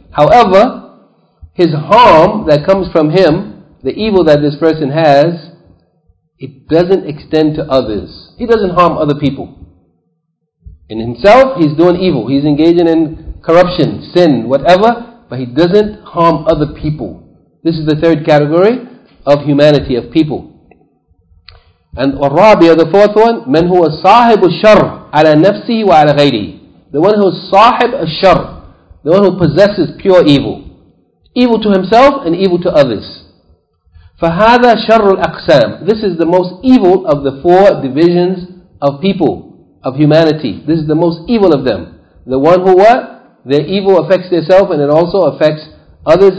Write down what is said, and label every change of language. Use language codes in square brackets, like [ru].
[en] However, his harm that comes from him, the evil that this person has, it doesn't extend to others. He doesn't harm other people. In himself, he's doing evil. He's engaging in corruption, sin, whatever. But he doesn't harm other people. This is the third category of humanity, of people. [ar] And الرَّابِعُ, [en] the fourth one, [ar] مَنْ هُوَ صَاحِبُ الشَّرْ عَلَى نَفْسِهِ وَعَلَى غَيْرِهِ. [en] The one who is [ar] صَاحِبُ الشَّرْ, [en] The one who possesses pure evil. Evil to himself and evil to others. [ar] فَهَذَا شَرُّ الْأَقْسَامِ [en] This is the most evil of the four divisions of people, of humanity. This is the most evil of them. The one who what? Their evil affects themselves and it also affects others.